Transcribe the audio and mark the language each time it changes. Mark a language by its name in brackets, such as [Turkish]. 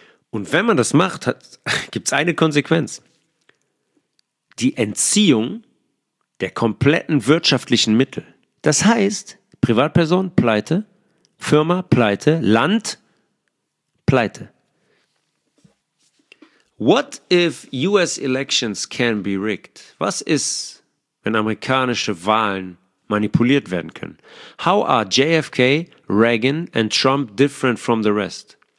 [German] Und wenn man das macht, gibt es eine Konsequenz. Die Entziehung der kompletten wirtschaftlichen Mittel. Das heißt, Privatperson, Pleite, Firma, Pleite, Land, Pleite. [English] What if US elections can be rigged? [German] Was ist, wenn amerikanische Wahlen manipuliert werden können? [English] How are JFK, Reagan and Trump different from the rest?